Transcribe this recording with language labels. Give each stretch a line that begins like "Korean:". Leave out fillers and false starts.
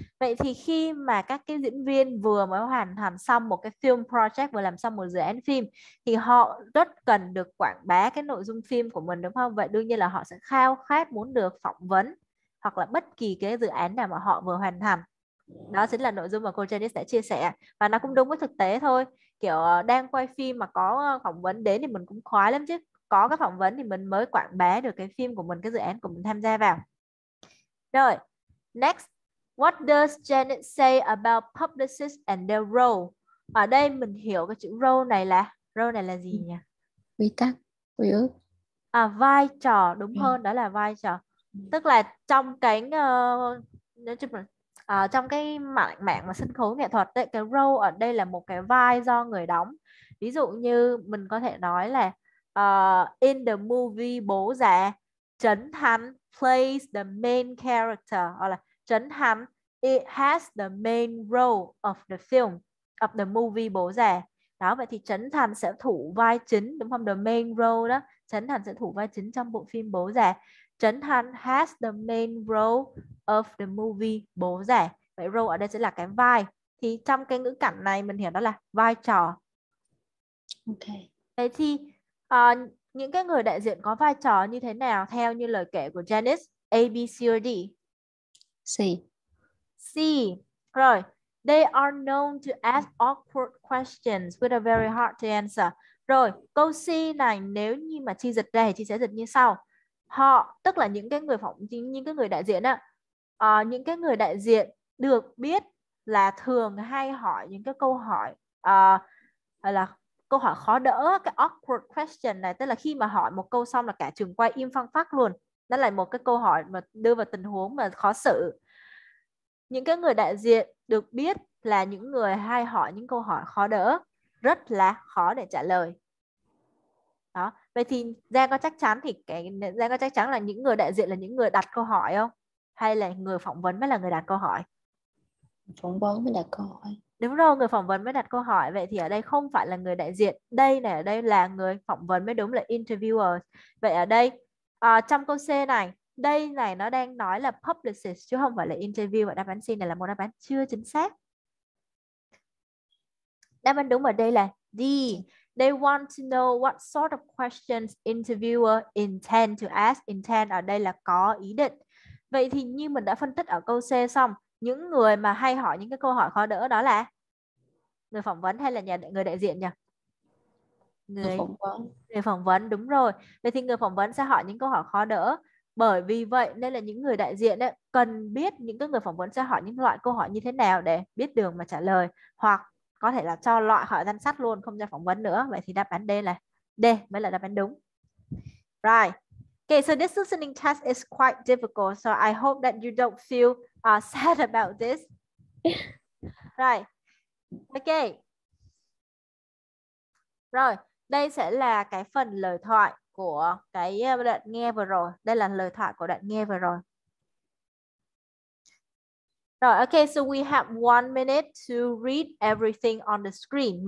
Vietnamese: Vậy thì khi mà các cái diễn viên vừa mới hoàn thành xong một cái film project, vừa làm xong một dự án phim, thì họ rất cần được quảng bá cái nội dung phim của mình, đúng không? Vậy đương nhiên là họ sẽ khao khát muốn được phỏng vấn hoặc là bất kỳ cái dự án nào mà họ vừa hoàn thành. Đó chính là nội dung mà cô Janice đã chia sẻ. Và nó cũng đúng với thực tế thôi. Kiểu đang quay phim mà có phỏng vấn đến thì mình cũng khoái lắm chứ. Có cái phỏng vấn thì mình mới quảng bá được cái phim của mình, cái dự án của mình tham gia vào. Rồi, next.
English: What does Janet say about publicists and their role?
Vietnamese: Ở đây mình hiểu cái chữ role này là, role này là gì nhỉ? Quy tắc, quy ước. À, vai trò, đúng hơn, đó là vai trò. Tức là trong cái nói chung là trong cái mạng mà sân khấu nghệ thuật ấy, cái role ở đây là một cái vai do người đóng. Ví dụ như mình có thể nói là
English: in the movie bố già, Trấn Thành plays the main character,
Vietnamese: hoặc là
English: Trấn Thành it has the main role of the film, of the movie bố già.
Vietnamese: Đó, vậy thì Trấn Thành sẽ thủ vai chính, đúng không? The main role đó, Trấn Thành sẽ thủ vai chính trong bộ phim bố già.
English: Trấn Thành has the main role of the movie bố già.
Vietnamese: Vậy role ở đây sẽ là cái vai. Thì trong cái ngữ cảnh này mình hiểu đó là vai trò. Ok. Thế thì những cái người đại diện có vai trò như thế nào theo như lời kể của Janice?
English: A, B, C or D? C.
Vietnamese: C. Rồi.
English: They are known to ask awkward questions with a very hard to answer.
Vietnamese: Rồi. Câu C này nếu như mà chị dịch ra thì chị sẽ dịch như sau. Họ, tức là những cái người phỏng vấn, những cái người đại diện á, những cái người đại diện được biết là thường hay hỏi những cái câu hỏi hay là câu hỏi khó đỡ, cái awkward question này, tức là khi mà hỏi một câu xong là cả trường quay im phăng phắc luôn. Đó là một cái câu hỏi mà đưa vào tình huống mà khó xử. Những cái người đại diện được biết là những người hay hỏi những câu hỏi khó đỡ, rất là khó để trả lời. Đó. Vậy thì Giang có chắc chắn thì Giang có chắc chắn là những người đại diện là những người đặt câu hỏi không? Hay là người phỏng vấn mới là người đặt câu hỏi? Phỏng vấn mới đặt câu hỏi. Đúng rồi, người phỏng vấn mới đặt câu hỏi. Vậy thì ở đây không phải là người đại diện. Đây này, ở đây là người phỏng vấn mới đúng, là interviewer. Vậy ở đây, trong câu C này, đây này nó đang nói là publicist chứ không phải là interview. Và đáp án C này là một đáp án chưa chính xác. Đáp án đúng ở đây là D.
English: They want to know what sort of questions interviewer intend to ask.
Vietnamese: Intend ở đây là có ý định. Vậy thì như mình đã phân tích ở câu C xong, những người mà hay hỏi những cái câu hỏi khó đỡ đó là Người phỏng vấn hay là nhà người đại diện nhỉ? Người phỏng vấn. Người phỏng vấn, đúng rồi. Vậy thì người phỏng vấn sẽ hỏi những câu hỏi khó đỡ. Bởi vì vậy nên là những người đại diện ấy, cần biết những cái người phỏng vấn sẽ hỏi những loại câu hỏi như thế nào để biết đường mà trả lời. Hoặc có thể là cho loại hỏi danh sách luôn, không cho phỏng vấn nữa. Vậy thì đáp án D là D mới là đáp án đúng.
English: Right. Okay, so this listening test is quite difficult. So I hope that you don't feel sad about this. Right. Okay.
Vietnamese: Rồi, đây sẽ là cái phần lời thoại của cái đoạn nghe vừa rồi. Đây là lời thoại của đoạn nghe vừa rồi.
English: Rồi, okay, so we have 1 minute to read everything on the screen.